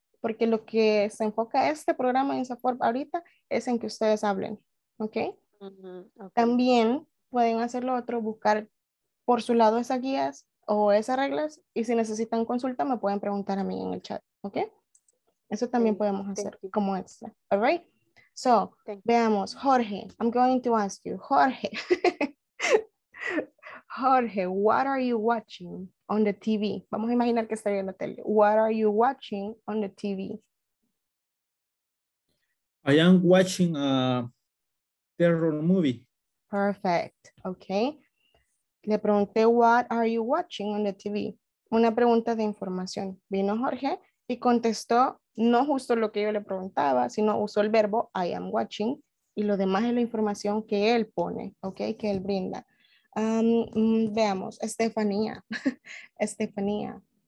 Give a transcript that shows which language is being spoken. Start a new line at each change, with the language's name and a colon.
Spanish: Porque lo que se enfoca este programa en support ahorita es en que ustedes hablen.
English: ¿Okay? Uh-huh. Okay.
Spanish: También pueden hacer lo otro, buscar por su lado esas guías o esas reglas. Y si necesitan consulta, me pueden preguntar a mí en el chat. ¿Okay? Eso también podemos hacer como extra.
English: All right? So,
Spanish: veamos,
English: Jorge, I'm going to ask you, Jorge, Jorge, what are you watching on the TV?
Spanish: Vamos a imaginar que estaría en la tele.
English: What are you watching on the TV? I am watching a terror movie. Perfect, okay.
Spanish: Le pregunté,
English: what are you watching on the TV?
Spanish: Una pregunta de información. Vino Jorge y contestó, no justo lo que yo le preguntaba, sino usó el verbo
English: I am watching
Spanish: y lo demás es la información que él pone, okay, que él brinda. Veamos, Estefanía. Estefanía.